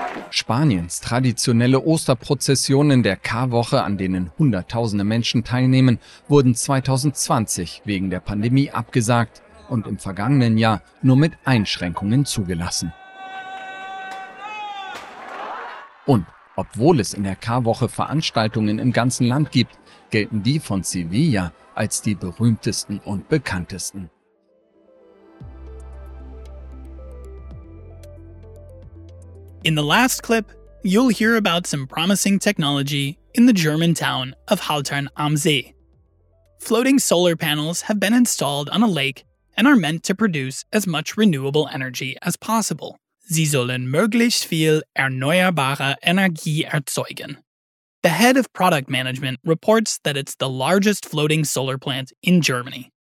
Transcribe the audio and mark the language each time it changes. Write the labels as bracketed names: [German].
[German] Spaniens traditionelle Osterprozessionen der Karwoche, an denen Hunderttausende Menschen teilnehmen, wurden 2020 wegen der Pandemie abgesagt und im vergangenen Jahr nur mit Einschränkungen zugelassen. Und obwohl es in der Karwoche Veranstaltungen im ganzen Land gibt, gelten die von Sevilla als die berühmtesten und bekanntesten. [English] In the last clip, you'll hear about some promising technology in the German town of Haltern am See. Floating solar panels have been installed on a lake and are meant to produce as much renewable energy as possible. [German] Sie sollen möglichst viel erneuerbare Energie erzeugen. [English] The head of product management reports that it's the largest floating solar plant in Germany.